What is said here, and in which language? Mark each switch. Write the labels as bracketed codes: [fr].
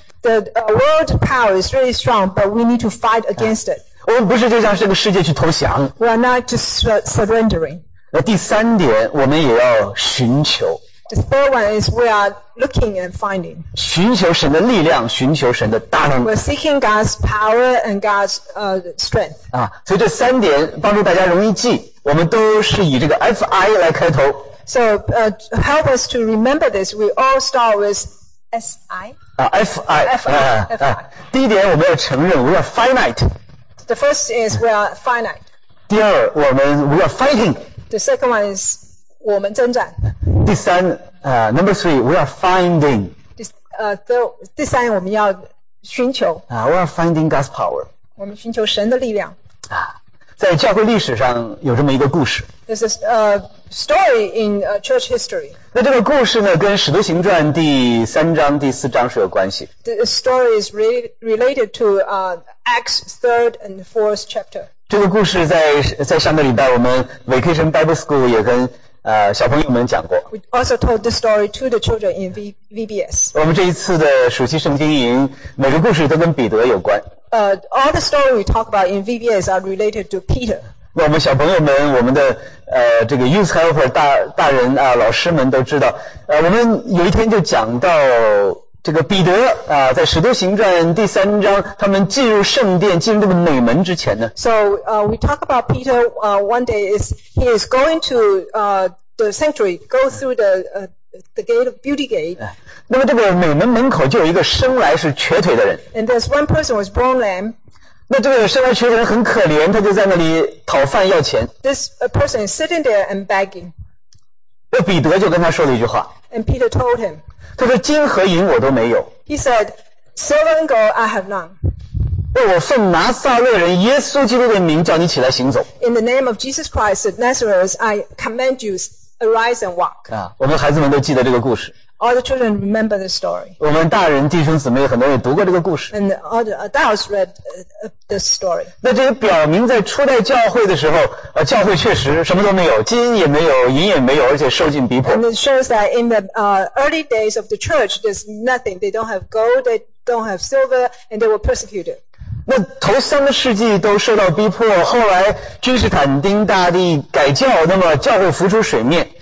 [en] The world power is really strong, but we need to fight against it. [zh] 我们不是就向这个世界去投降。 [en] We are not just surrendering. [zh] 第三点，我们也要寻求。 [en] The third one is we are looking and finding. [zh] 寻求神的力量，寻求神的大能。 [en] We're seeking God's power and God's strength. [zh] 啊，所以这三点帮助大家容易记。我们都是以这个 FI 来开头。 [en] So help us to remember this. We all start with SI. 啊 ，FI. FI. [zh] 第一点，我们要承认 [en] we are finite. The first is we are finite. [zh] 第二，我们 [en] we are fighting. The second one is [zh] 我们征战。第三， [en] number three, we are finding. [zh] This 我们要寻求。 [en] We are finding God's power. [zh] 我们寻求神的力量。在教会历史上有这么一个故事。 [en] This is a story in church history. [zh] 那这个故事呢，跟《使徒行传》第三章、第四章是有关系。 [en] The story is related to Acts 3rd and 4th chapter. [zh] 这个故事在上个礼拜我们 Vacation Bible School 也跟小朋友们讲过。 [en] We also told this story to the children in VBS. [zh] 我们这一次的暑期圣经营，每个故事都跟彼得有关。 [en] All the story we talk about in VBS are related to Peter. [zh] 那我们小朋友们，我们的这个 youth helper 大人啊，老师们都知道。我们有一天就讲到这个彼得在《使徒行传》第三章，他们进入圣殿、进入这个美门之前呢。 [en] So we talk about Peter. One day he is going to the sanctuary, go through the gate of beauty gate. [zh] 那么这个美门门口就有一个生来是瘸腿的人。 [en] And there's one person was born lame. [zh] 那这个生来瘸腿的人很可怜，他就在那里讨饭要钱。 [en] This person is sitting there and begging. [zh] 那彼得就跟他说了一句话。 [en] And Peter told him. [zh] 他说金和银我都没有。 [en] He said, silver and gold I have none. [zh] 那我奉拿撒勒人耶稣基督的名叫你起来行走。 [en] In the name of Jesus Christ of Nazareth, I command you. Arise and walk. [zh] 啊，我们孩子们都记得这个故事。 [en] All the children remember the story. [zh] 我们大人弟兄姊妹很多人读过这个故事。 [en] And all the adults read this story. [zh] 那这也表明在初代教会的时候，教会确实什么都没有，金也没有，银也没有，而且受尽逼迫。 [en] And it shows that in the early days of the church, there's nothing. They don't have gold, they don't have silver, and they were persecuted. [zh] 那头三个世纪都受到逼迫，后来君士坦丁大帝改教，那么教会浮出水面。